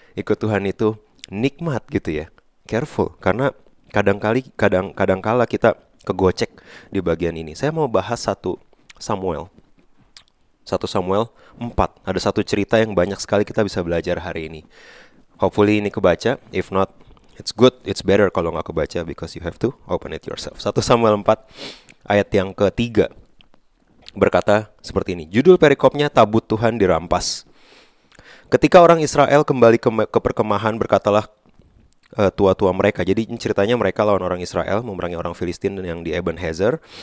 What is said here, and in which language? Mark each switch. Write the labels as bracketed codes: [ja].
[id] Ikut Tuhan itu nikmat gitu ya. [en] Careful, [id] karena kadang kala kita kegocek di bagian ini. Saya mau bahas satu Samuel 4. Ada satu cerita yang banyak sekali kita bisa belajar hari ini. Hopefully ini kebaca. [en] If not, it's good, it's better [id] kalau nggak kebaca, [en] because you have to open it yourself. [id] 1 Samuel 4 ayat yang ke-3 berkata seperti ini. Judul perikopnya, Tabut Tuhan Dirampas. Ketika orang Israel kembali ke perkemahan, berkatalah tua-tua mereka. Jadi ceritanya mereka lawan orang Israel, memerangi orang Filistin yang di Ebenezer.